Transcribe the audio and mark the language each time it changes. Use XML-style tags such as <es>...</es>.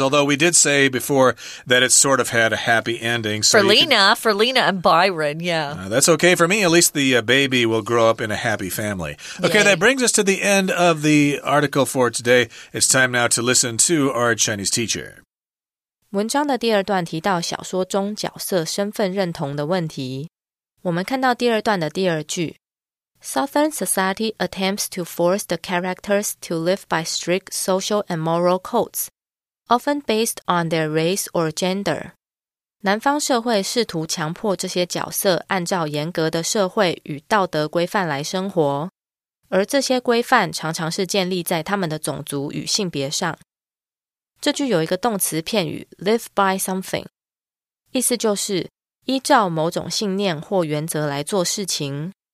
<en>Although we did say before that it sort of had a happy ending. So for Lena and Byron, That's okay for me. At least the baby will grow up in a happy family. Okay, that brings us to the end of the article for today. It's time now to listen to our Chinese teacher.</en> <zh>文章的第二段提到小说中角色身份认同的问题。我们看到第二段的第二句。</zh> <en>Southern society attempts to force the characters to live by strict social and moral codes, often based on their race or gender.</en> <zh>南方社会试图强迫这些角色按照严格的社会与道德规范来生活，而这些规范常常是建立在他们的种族与性别上。这句有一个动词片语</zh> <en>live by something,</en> <zh>意思就是依照某种信念或原则来做事情。</zh>